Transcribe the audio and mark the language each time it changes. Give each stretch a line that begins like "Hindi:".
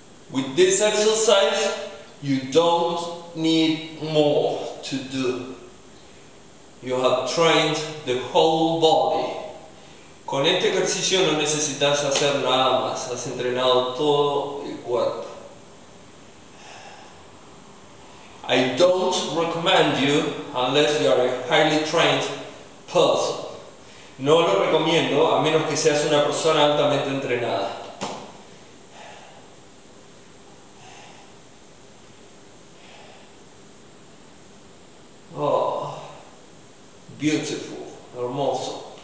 English: With this exercise, you don't need more to do. You have trained the whole body.
Spanish: Con este ejercicio no necesitas hacer nada más. Has entrenado todo el cuerpo.
English: I don't recommend you unless you are a highly trained person.
Spanish: No lo recomiendo a menos que seas una persona altamente entrenada.
English: Beautiful, hermoso.